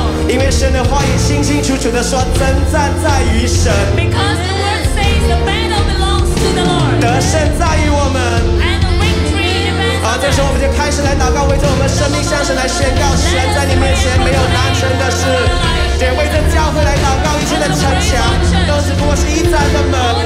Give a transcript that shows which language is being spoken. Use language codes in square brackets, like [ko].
[zh] 因为神的话语清清楚楚地说，征战在于神。 [en] Because the word says the battle belongs to the Lord. [zh] 得胜在于我们。 [en] And the victory depends on us. [zh] 这时候我们就开始来祷告，为着我们生命向神来宣告，神在你面前没有难成的事。也为着教会来祷告，一切的城墙都只不过是一盏的门。